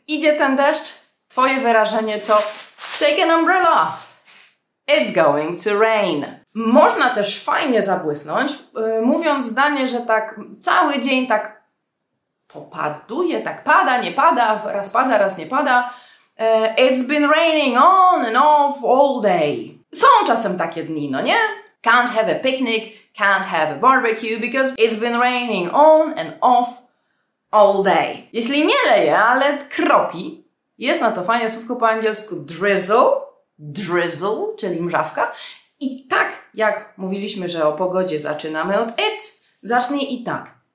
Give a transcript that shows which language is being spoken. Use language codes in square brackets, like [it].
[pl] idzie ten deszcz, twoje wyrażenie to [en] take an umbrella. It's going to rain. [pl] Można też fajnie zabłysnąć, mówiąc zdanie, że tak cały dzień tak popaduje, tak pada, nie pada, raz pada, raz nie pada. [en] It's been raining on and off all day. [pl] Są czasem takie dni, no nie? [en] Can't have a picnic, can't have a barbecue, because it's been raining on and off all day. [pl] Jeśli nie leje, ale kropi, jest na to fajne słówko po angielsku drizzle, drizzle, czyli mrzawka. I tak jak mówiliśmy, że o pogodzie zaczynamy od it's, zacznij i tak.